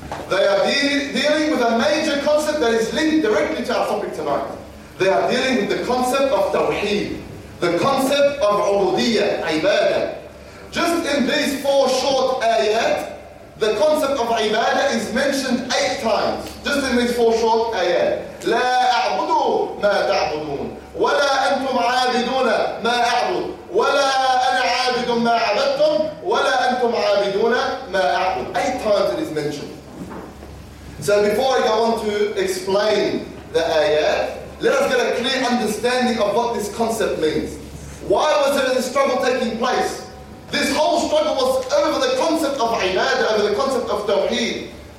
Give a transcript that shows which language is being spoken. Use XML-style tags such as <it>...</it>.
<en>They are dealing with a major concept that is linked directly to our topic tonight. They are dealing with the concept of tawheed, the concept of ubudiyyah, ibadah. Just in these four short ayat, the concept of ibadah is mentioned 8 times. Just in these four short ayat.</en> <ar>لا أعبدوا ما تعبدون ولا أنتم عابدون ما أعبد ولا أنا عابد ما عبدتم ولا أنتم عابدون ما أعبد.</ar> <en>8 times it is mentioned. So before I go on to explain the ayat, let us get a clear understanding of what this concept means. Why was there this struggle taking place? This whole struggle was over the concept of ibadah, over the concept of tawheed.</en>